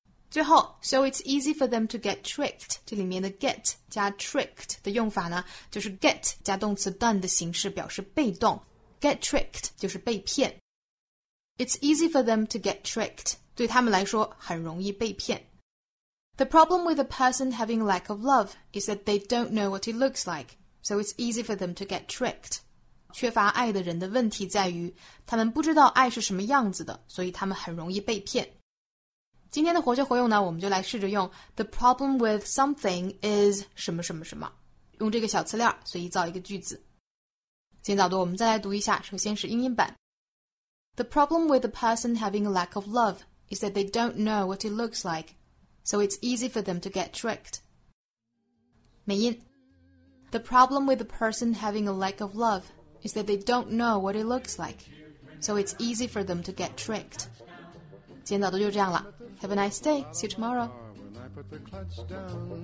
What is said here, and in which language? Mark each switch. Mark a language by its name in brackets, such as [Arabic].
[Chinese] 最后 [English] So it's easy for them to get tricked [Chinese] 这里面的 get 加 tricked 的用法呢就是 get 加动词 done 的形式表示被动Get tricked 就是被骗。 [English] It's easy for them to get tricked. [Chinese] 对他们来说很容易被骗。 [English] The problem with a person having a lack of love is that they don't know what it looks like. So it's easy for them to get tricked. [Chinese] 缺乏爱的人的问题在于他们不知道爱是什么样子的所以他们很容易被骗。今天的活学活用呢我们就来试着用 The problem with something is 什么什么什么。用这个小词链随意造一个句子。今早读我们再来读一下首先是英音版 [English] The problem with a person having a lack of love is that they don't know what it looks like so it's easy for them to get tricked [Chinese] 美音 [English] The problem with a person having a lack of love is that they don't know what it looks like so it's easy for them to get tricked [Chinese] 今早读就这样了 [English] Have a nice day, see you tomorrow Put the clutch down.